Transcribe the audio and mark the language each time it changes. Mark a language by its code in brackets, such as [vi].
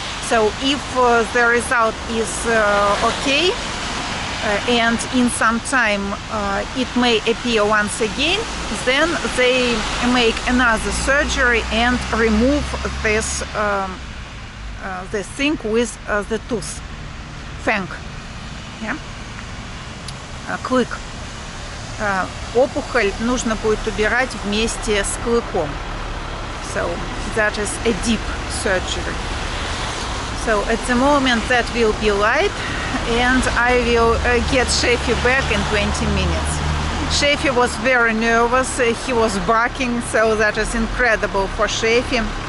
[en] So if the result is okay, and in some time it may appear once again, then they make another surgery and remove this the thing with the tooth, fang, клык. [ru] Опухоль нужно будет убирать вместе с клыком. [en] So that is a deep surgery. So at the moment that will be light, and I will get Shafi back in 20 minutes. Shafi was very nervous, he was barking, so that is incredible for Shafi.